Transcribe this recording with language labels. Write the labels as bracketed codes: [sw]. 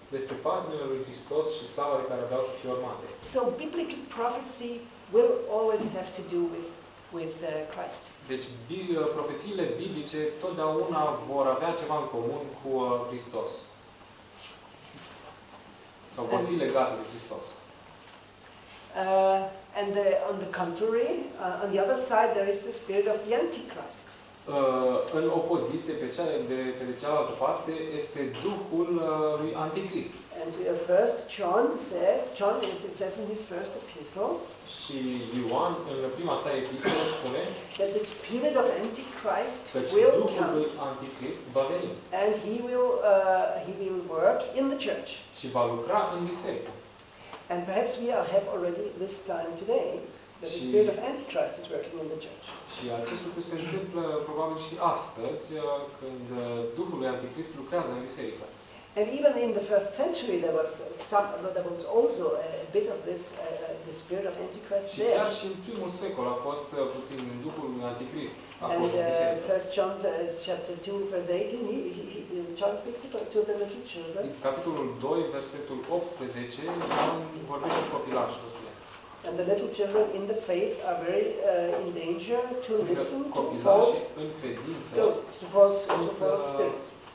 [ro] Despre patimile lui Hristos și slava de care aveau să fie urmate. [en] So biblical prophecy will always have to do with Christ. [ro] Deci profețiile biblice totdeauna vor avea ceva în comun cu Hristos. Sau vor fi legate de Hristos. [en] And the, on the contrary, on the other side there is the spirit of the Antichrist. [ro] În opoziție pe cealaltă parte este Duhul lui Anticrist. [en] And first John says in his first epistle. [ro] Și Ioan în prima sa epistolă spune [en] that the spirit of Antichrist will come. [ro] Duhul Anticrist va veni. [en] And he will work in the church. [ro] Și va lucra în biserică. [en] And perhaps we have already this time today that the spirit of Antichrist is working in the church. [ro] Și acest lucru se întâmplă probabil și astăzi când Duhul lui Anticrist lucrează în biserică. [en] And even in the first century, there was some, there was also a bit of this, the spirit of Antichrist there. [ro] Chiar și în primul secol a fost puțin în duhul lui Anticrist. [en] And First John chapter 2 verse 18, John speaks about to the little children. [ro] În capitolul 2, versetul 18, John vorbește cu copilașii. [en] And the little children in the faith are very in danger to listen to false ghosts, to false spirits.